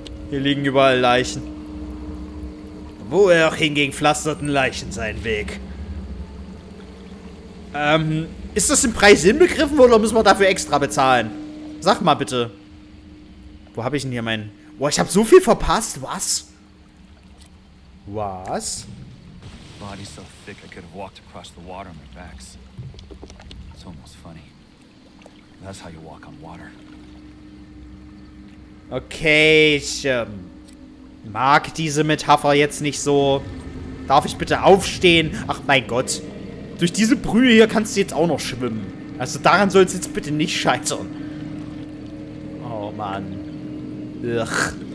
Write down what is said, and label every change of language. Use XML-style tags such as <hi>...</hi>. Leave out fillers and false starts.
<de>Hier liegen überall Leichen. Wo er auch hingegen, pflasterten Leichen seinen Weg. Ist das im Preis inbegriffen oder müssen wir dafür extra bezahlen? Sag mal bitte. Wo habe ich denn hier meinen... Boah, ich habe so viel verpasst. Was? Was?</de> <en>Body so thick I could have walked across the water on my backs. It's almost funny. That's how you walk on water.</en> <de>Okay, ich mag diese Metapher jetzt nicht so. Darf ich bitte aufstehen? Ach mein Gott. Durch diese Brühe hier kannst du jetzt auch noch schwimmen. Also daran soll es jetzt bitte nicht scheitern. Oh Mann. Ugh.</de>